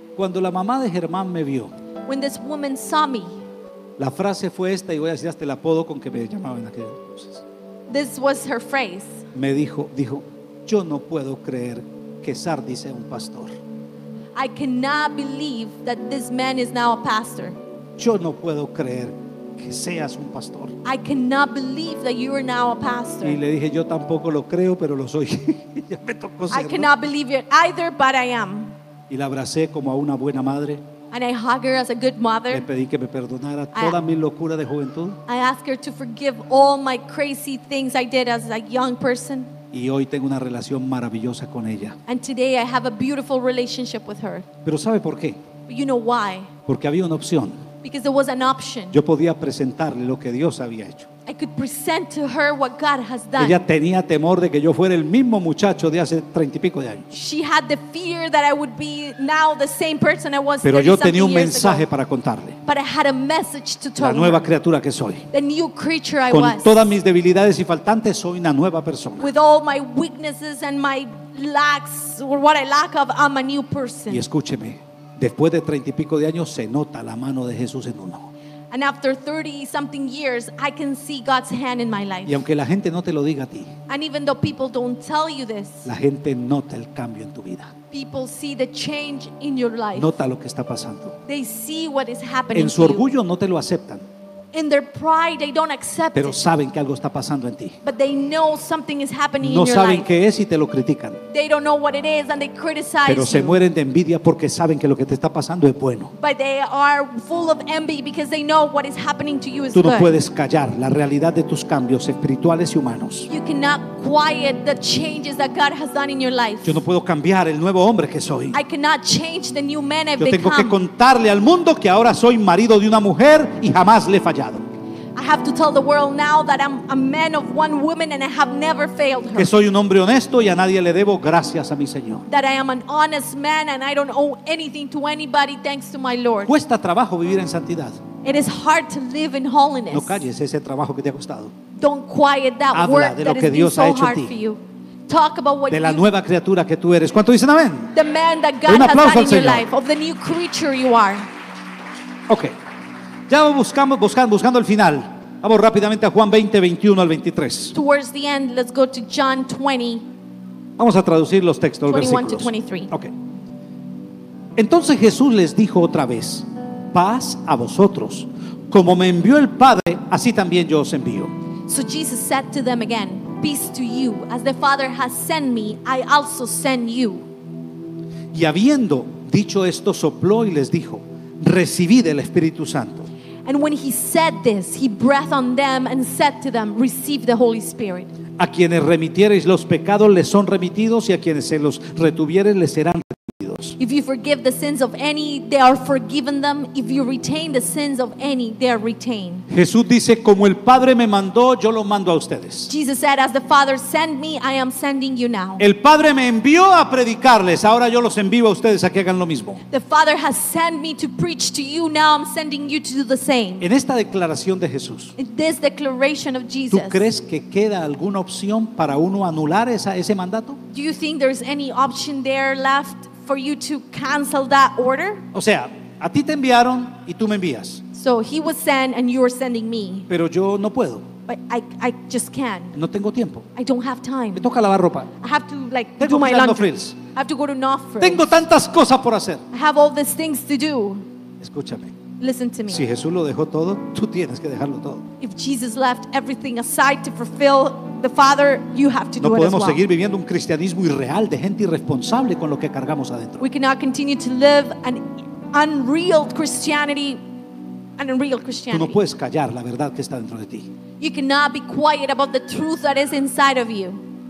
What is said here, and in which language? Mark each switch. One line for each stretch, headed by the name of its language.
Spanish: Cuando la mamá de Germán me vio,
English: when this woman saw me,
Spanish: la frase fue esta, y voy a decir hasta el apodo con que me llamaban en aquellas cosas.
English: This was her phrase.
Spanish: Me dijo, yo no puedo creer que Sardi sea un pastor.
English: I cannot believe that this man is now a pastor.
Spanish: Yo no puedo creer que seas un pastor.
English: I cannot believe that you are now a pastor.
Spanish: Y le dije, yo tampoco lo creo, pero lo soy. Ya me tocó ser.
English: I cannot believe it either, but I am.
Spanish: Y la abracé como a una buena madre.
English: And I hug her as a good mother.
Spanish: Le pedí que me perdonara toda mi locura de juventud.
English: I ask her to forgive all my crazy things I did as a young person.
Spanish: Y hoy tengo una relación maravillosa con ella.
English: And today I have a beautiful relationship with her.
Spanish: Pero ¿sabe por qué?
English: But you know why?
Spanish: Porque había una opción.
English: Because there was an option.
Spanish: Yo podía presentarle lo que Dios había hecho.
English: I could present to her what God has done.
Spanish: Ella tenía temor de que yo fuera el mismo muchacho de hace 30 y pico de años.
English: She had the fear that I would be now the same person I was.
Spanish: Pero yo tenía un mensaje para contarle.
English: But I had a message to tell.
Spanish: La nueva criatura que soy.
English: The new creature I
Spanish: con
English: was.
Spanish: Con todas mis debilidades y faltantes soy una nueva persona.
English: With all my weaknesses and my lacks or what I lack of, I'm a new person.
Spanish: Y escúcheme. Después de 30 y pico de años se nota la mano de Jesús en uno.
English: And after 30 something years I can see God's hand in my life.
Spanish: Y aunque la gente no te lo diga a ti,
English: and even though people don't tell you this,
Spanish: la gente nota el cambio en tu vida.
English: People see the change in your life.
Spanish: Nota lo que está pasando.
English: They see what is happening.
Spanish: En su orgullo no te lo aceptan.
English: In their pride they don't accept it.
Spanish: Pero saben que algo está pasando en ti.
English: But they know something is happening
Spanish: no
English: in your life.
Spanish: No saben qué es y te lo critican.
English: They don't know what it is and they criticize
Spanish: pero
English: you.
Spanish: Pero se mueren de envidia porque saben que lo que te está pasando es bueno.
English: But they are full of envy because they know what is happening to you is
Spanish: tú no
English: good.
Spanish: Tú no puedes callar la realidad de tus cambios espirituales y humanos.
English: You cannot quiet the changes that God has done in your life.
Spanish: Yo no puedo cambiar el nuevo hombre que soy.
English: I cannot change the new man I've become.
Spanish: Yo tengo
English: become.
Spanish: Que contarle al mundo que ahora soy marido de una mujer y jamás le fallé.
English: I have to tell the world now that I'm a man of one woman and I have never failed her.
Spanish: Que soy un hombre honesto y a nadie le debo, gracias a mi Señor.
English: That I am an honest man and I don't owe anything to anybody, thanks to my Lord.
Spanish: Cuesta trabajo vivir en santidad.
English: It is hard to live in holiness.
Spanish: No calles ese trabajo que te ha costado.
English: don't quiet that
Spanish: Habla
English: work
Spanish: de lo
English: that
Spanish: que
English: has
Spanish: Dios
English: been so hard for you. Talk about what
Spanish: de la nueva criatura que tú eres. ¿Cuánto dicen amén?
English: The man that God has had in your life, of the new creature you are.
Spanish: Okay. Ya buscamos, buscando el final. Vamos rápidamente a Juan 20, 21 al 23.
English: Towards the end, let's go to John 20.
Spanish: Vamos a traducir los textos, 21 versículos.
English: To 23. Okay.
Spanish: Entonces Jesús les dijo otra vez: paz a vosotros. Como me envió el Padre, así también yo os envío.
English: So Jesus said to them again, peace to you. As the Father has sent me, I also send you.
Spanish: Y habiendo dicho esto, sopló y les dijo: recibid el Espíritu Santo.
English: And when he said this, he breathed on them and said to them, receive the Holy Spirit.
Spanish: A quienes remitiereis los pecados les son remitidos, y a quienes se los retuviereis les serán retenidos.
English: If you forgive the sins of any, they are forgiven them. If you retain the sins of any, they are retained.
Spanish: Jesús dice, como el Padre me mandó, yo lo mando a ustedes.
English: Jesus said, as the Father sent me, I am sending you now.
Spanish: El Padre me envió a predicarles, ahora yo los envío a ustedes a que hagan lo mismo.
English: The Father has sent me to preach to you, now I'm sending you to do the same.
Spanish: En esta declaración de Jesús,
English: in this declaration of Jesus,
Spanish: ¿tú crees que queda alguna opción para uno anular ese mandato?
English: Do you think there's any option there left for you to cancel that order?
Spanish: O sea, a ti te enviaron y tú me envías.
English: So he was sent and you are sending me.
Spanish: Pero yo no puedo.
English: But I just can't.
Spanish: No tengo tiempo.
English: I don't have time.
Spanish: Me toca lavar ropa.
English: I have to like
Spanish: tengo
English: do my laundry. Frills. I have to go to Nofrills.
Spanish: Tengo tantas cosas por hacer.
English: I have all these things to do.
Spanish: Escúchame.
English: Listen to me.
Spanish: Si Jesús lo dejó todo, tú tienes que dejarlo todo.
English: If Jesus left everything aside to fulfill the Father, you have to do it as well.
Spanish: No podemos seguir viviendo un cristianismo irreal de gente irresponsable con lo que cargamos adentro.
English: We cannot continue to live an unreal Christianity. An unreal Christianity.
Spanish: Tú no puedes callar la verdad que está dentro de ti.
English: You cannot be quiet about the truth that is inside of you.